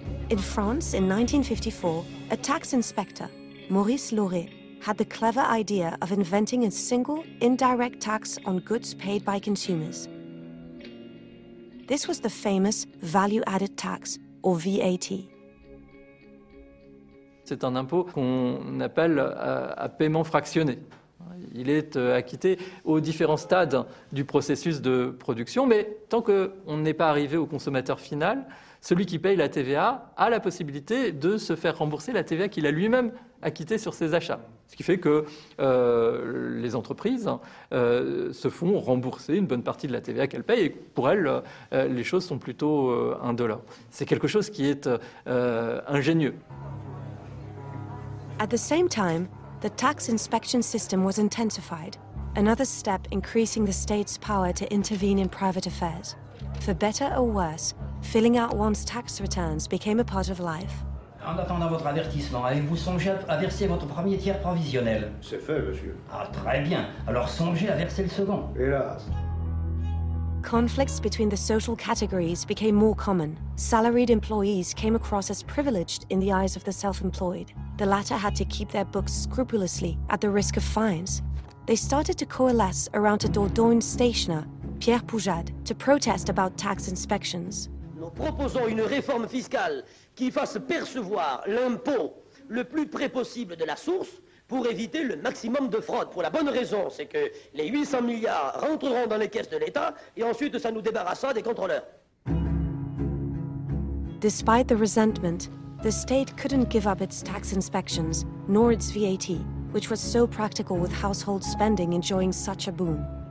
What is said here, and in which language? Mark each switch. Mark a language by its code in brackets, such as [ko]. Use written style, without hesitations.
[en] In France, in 1954, a tax inspector, Maurice Lauré, had the clever idea of inventing a single, indirect tax on goods paid by consumers. This was the famous value-added tax, or VAT. [fr] C'est un impôt qu'on appelle à paiement fractionné. Il est acquitté aux différents stades du processus de production, mais tant qu'on n'est pas arrivé au consommateur final, celui qui paye la TVA a la possibilité de se faire rembourser la TVA qu'il a lui-même acquittée sur ses achats. Ce qui fait que les entreprises se font rembourser une bonne partie de la TVA qu'elles payent, et pour elles, les choses sont plutôt $1. C'est quelque chose qui est ingénieux. [en] At the same time, the tax inspection system was intensified, another step increasing the state's power to intervene in private affairs. For better or worse, filling out one's tax returns became a part of life. [fr] En attendant votre avertissement, avez-vous songé à verser votre premier tiers provisionnel? C'est fait, monsieur. Ah, très bien. Alors songez à verser le second. Hélas. [en] Conflicts between the social categories became more common. Salaried employees came across as privileged in the eyes of the self-employed. The latter had to keep their books scrupulously at the risk of fines. They started to coalesce around a Dordogne stationer, Pierre Poujade, to protest about tax inspections. [fr] Nous proposons une réforme fiscale qui fasse percevoir l'impôt le plus près possible de la source pour éviter le maximum de fraude. Pour la bonne raison, c'est que les 800 milliards rentreront dans les caisses de l'État et ensuite ça nous débarrassera des contrôleurs. [en] Despite the resentment, the state couldn't give up its tax inspections, nor its VAT, which was so practical with household spending enjoying such a boom.